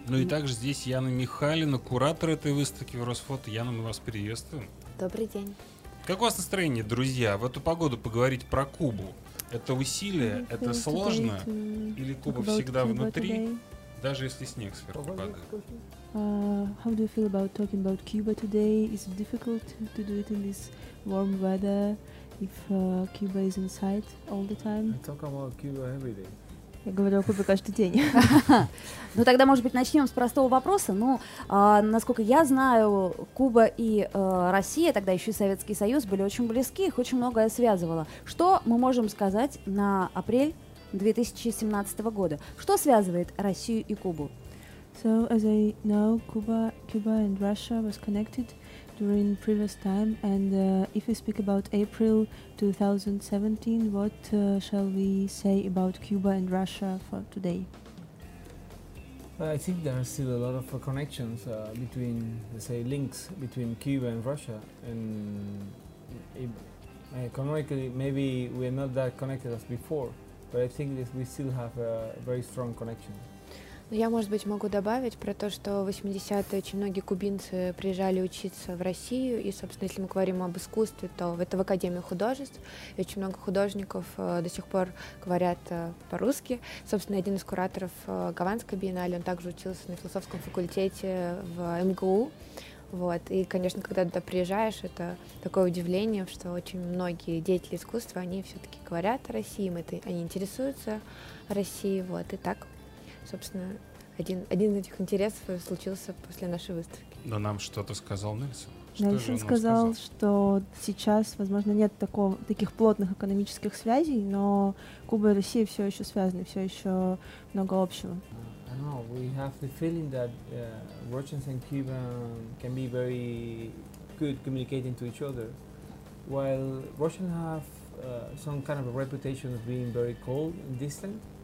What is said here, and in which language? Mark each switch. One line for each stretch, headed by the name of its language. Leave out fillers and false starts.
Russian: Ну и также здесь Яна Михайлина, куратор этой выставки в Росфото. Яна, мы вас приветствуем. Добрый день. Как у вас настроение, друзья, в эту погоду поговорить про Кубу? Это усилие? Это сложно? Или Куба всегда внутри, даже если снег сверху падает?
English: How do you feel about talking about Cuba today? Is it difficult to do it in this warm weather? If Cuba is in sight all the time. I talk about Cuba every day.
Russian: Я говорю о Кубе каждый день. Ну тогда, может быть, начнем с простого вопроса. Ну, насколько я знаю, Куба и Россия, тогда еще и Советский Союз, были очень близки, их очень многое связывало. Что мы можем сказать на апрель 2017 года? Что связывает Россию и Кубу?
English: So, as I know, Cuba and Russia was connected during previous time, and if we speak about April 2017, what shall we say about Cuba and Russia for today? I think there are still a lot of connections between, let's say, links between Cuba and Russia, and economically, maybe we're not that connected as before, but I think that we still have a very strong connection.
Russian: Я, может быть, могу добавить про то, что в 80-е очень многие кубинцы приезжали учиться в Россию, и, собственно, если мы говорим об искусстве, то это в Академии художеств, и очень много художников до сих пор говорят по-русски. Собственно, один из кураторов Гаванской биеннале, он также учился на философском факультете в МГУ. Вот. И, конечно, когда туда приезжаешь, это такое удивление, что очень многие деятели искусства, они все-таки говорят о России, они интересуются Россией, вот, и так. Собственно, один из этих интересов случился после нашей выставки. Но нам что-то сказал Нильсон. Нильсон сказал, что сейчас, возможно, нет таких плотных экономических связей, но Куба и Россия все еще связаны, все еще много общего.
English: I know, we have the feeling that Russians and Cubans can be very good communicating to each other, while Russians have some kind of a reputation of being very cold and distant.